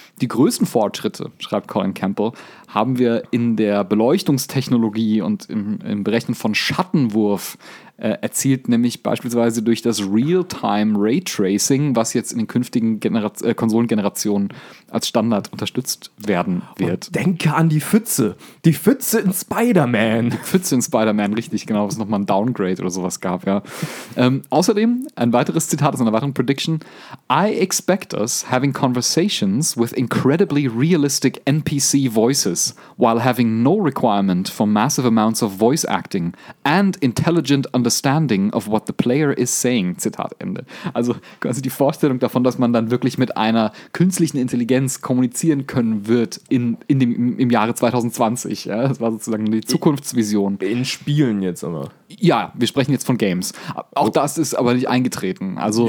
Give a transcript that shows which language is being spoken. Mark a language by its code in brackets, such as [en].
[de] Die größten Fortschritte, schreibt Colin Campbell, haben wir in der Beleuchtungstechnologie und im Berechnen von Schattenwurf erzielt, nämlich beispielsweise durch das Real-Time-Raytracing, was jetzt in den künftigen Konsolengenerationen als Standard unterstützt werden wird. Und denke an die Pfütze. Die Pfütze in Spider-Man. Die Pfütze in Spider-Man, richtig, genau, was nochmal ein Downgrade oder sowas gab, ja. Außerdem, ein weiteres Zitat aus einer weiteren Prediction. [en] I expect us having conversations with incredibly realistic NPC voices, while having no requirement for massive amounts of voice acting and intelligent understanding of what the player is saying. [de] Zitat Ende. Also quasi die Vorstellung davon, dass man dann wirklich mit einer künstlichen Intelligenz kommunizieren können wird im Jahre 2020. Ja? Das war sozusagen die Zukunftsvision. In Spielen jetzt aber. Ja, wir sprechen jetzt von Games. Auch das ist aber nicht eingetreten. Also,